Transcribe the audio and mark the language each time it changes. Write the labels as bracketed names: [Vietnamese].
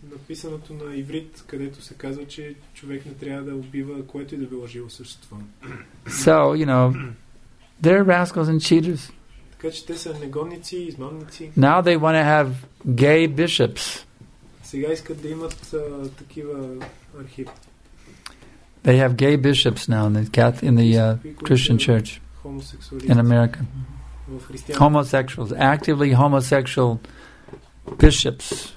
[Bulgarian] Написаното на иврит, където се казва, че човек не трябва да убива което и да било живо същество. [English] So, you know, they're rascals and cheaters. [Bulgarian] Така че те са негодници, измамници. [English] Now they want to have gay bishops. [Bulgarian] Сега искат да имат такива архиви. [English] They have gay bishops now in the Christian church in America. Homosexuals, actively homosexual bishops.